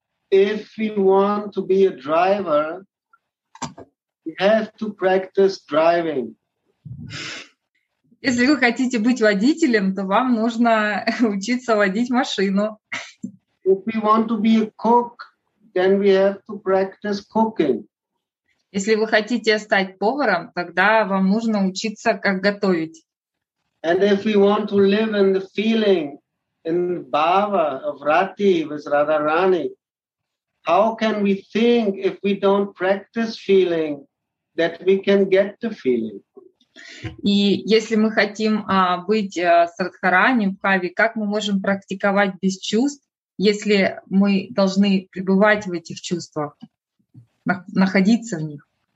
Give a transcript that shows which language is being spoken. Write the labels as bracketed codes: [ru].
[en] If you want to be a driver, you have to practice driving. [ru] Если вы хотите быть водителем, то вам нужно учиться водить машину. [en] If you want to be a cook, then we have to practice cooking. [ru] Если вы хотите стать поваром, тогда вам нужно учиться, как готовить. [en] And if you want to live in the feeling, in bhava of Rati with Radharani, how can we think if we don't practice feeling that we can get the feeling? [ru] И если мы хотим быть с Радхарани, Бхави, как мы можем практиковать без чувств, если мы должны пребывать в этих чувствах, находиться в них?